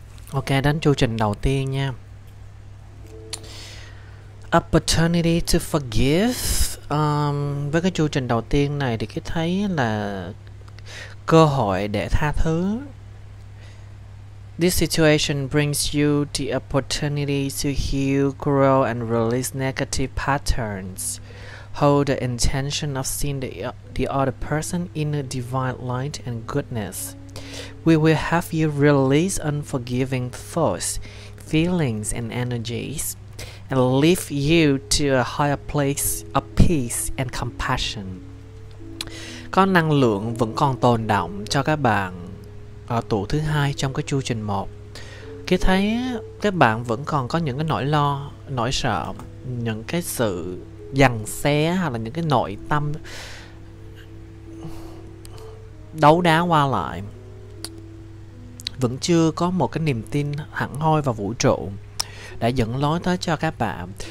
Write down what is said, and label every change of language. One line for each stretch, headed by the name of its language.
Vietnamese: Ok, đánh chu trình đầu tiên nha.
English: Opportunity to forgive.
Vietnamese: Với cái chu trình đầu tiên này thì cái thấy là cơ hội để tha thứ.
English: This situation brings you the opportunity to heal, grow and release negative patterns. Hold the intention of seeing the other person in a divine light and goodness. We will have you release unforgiving thoughts, feelings and energies. And lift you to a higher place of peace and compassion.
Vietnamese: Có năng lượng vẫn còn tồn đọng cho các bạn ở tủ thứ hai trong cái chu trình một. Khi thấy các bạn vẫn còn có những cái nỗi lo, nỗi sợ, những cái sự giằn xé hoặc là những cái nội tâm đấu đá qua lại, vẫn chưa có một cái niềm tin hẳn hoi vào vũ trụ đã dẫn lối tới cho các bạn.